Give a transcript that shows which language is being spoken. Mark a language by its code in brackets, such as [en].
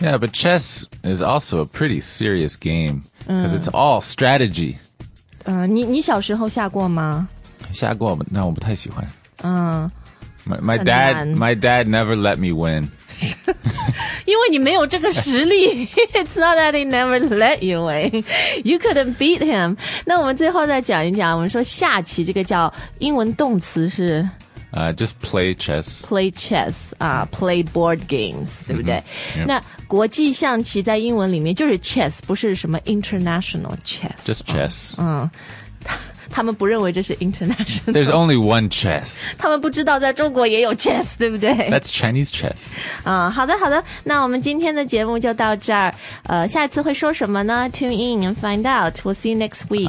[en] Yeah, but chess is also a pretty serious game because it's all strategy. [zh] 你小时候下过吗？下过，但我不太喜欢。 [en] My dad never let me win. [zh] 因为你没有这个实力。 [en] It's not that he never let you win. You couldn't beat him. [zh] 那我们最后再讲一讲，我们说下棋这个叫英文动词是 [en] Just play chess. Play chess, play board games, [zh] 对不对？ Mm-hmm. Yep. 那国际象棋在英文里面就是 chess, 不是什么 international chess. [en] Just chess. [zh] 他们不认为这是 international. [en] There's only one chess. [zh] 他们不知道在中国也有 chess, 对不对？ [en] That's Chinese chess. [zh] 好的好的，那我们今天的节目就到这儿。下一次会说什么呢？ [en] Tune in and find out. We'll see you next week.